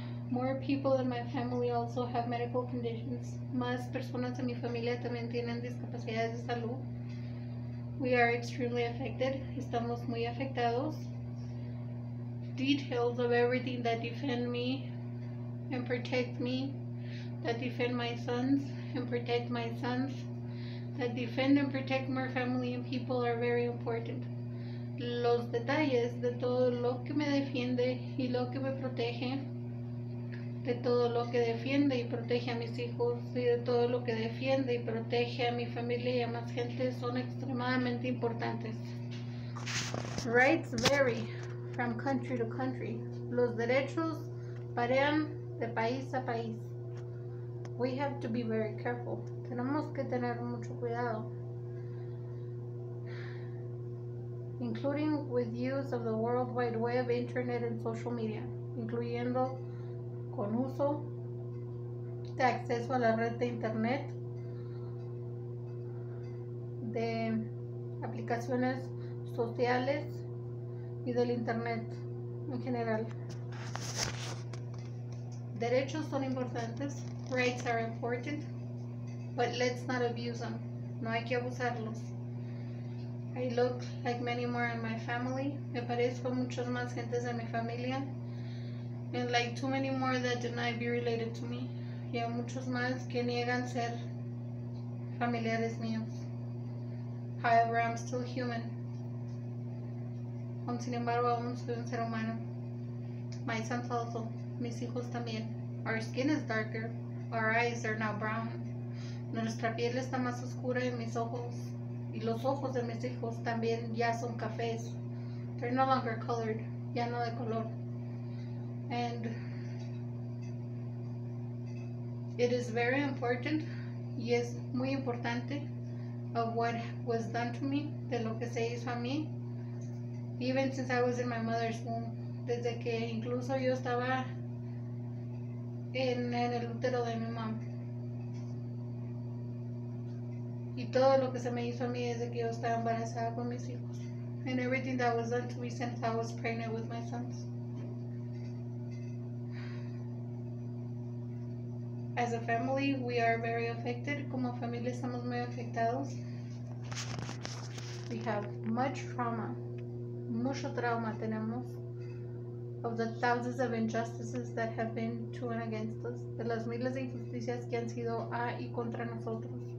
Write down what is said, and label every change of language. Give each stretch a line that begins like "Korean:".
English: More people in my family also have medical conditions.
Spanish: Más personas en mi familia también tienen discapacidades de salud.
English: We are extremely affected.
Spanish: Estamos muy afectados.
English: Details of everything that defend me and protect me, that defend my sons and protect my sons, that defend and protect my family and people are very important.
Spanish: Los detalles de todo lo que me defiende y lo que me protege, de todo lo que defiende y protege a mis hijos y de todo lo que defiende y protege a mi familia y a más gente son extremadamente importantes.
English: Rights vary from country to country.
Spanish: Los derechos varían de país a país.
English: We have to be very careful.
Spanish: Tenemos que tener mucho cuidado.
English: Including with use of the World Wide Web, internet, and social media.
Spanish: Incluyendo con uso de acceso a la red de internet, de aplicaciones sociales y del internet en general. Derechos son importantes.
English: Rights are important. But let's not abuse them.
Spanish: No hay que abusarlos.
English: I look like many more in my family.
Spanish: Me parezco muchos más gentes en mi familia.
English: And like too many more that deny be related to me.
Spanish: Y a muchos más que niegan ser familiares míos.
English: However, I'm still human.
Spanish: Sin embargo, aún soy un ser humano.
English: My sons also.
Spanish: Mis hijos también.
English: Our skin is darker. Our eyes are now brown.
Spanish: Nuestra piel está más oscura y mis ojos. Y los ojos de mis hijos también ya son cafés.
English: They're no longer colored.
Spanish: Ya no de color.
English: And it is very important.
Spanish: Y es muy importante.
English: Of what was done to me.
Spanish: De lo que se hizo a mí.
English: Even since I was in my mother's womb.
Spanish: Desde que incluso yo estaba en el útero de mi mamá. Y todo lo que se me hizo a mí desde que yo estaba embarazada con mis hijos.
English: And everything that was done to me since I was pregnant with my sons. As a family, we are very affected.
Spanish: Como familia estamos muy afectados.
English: We have much trauma.
Spanish: Mucho trauma tenemos.
English: Of the thousands of injustices that have been to and against us.
Spanish: De las miles de injusticias que han sido a y contra nosotros.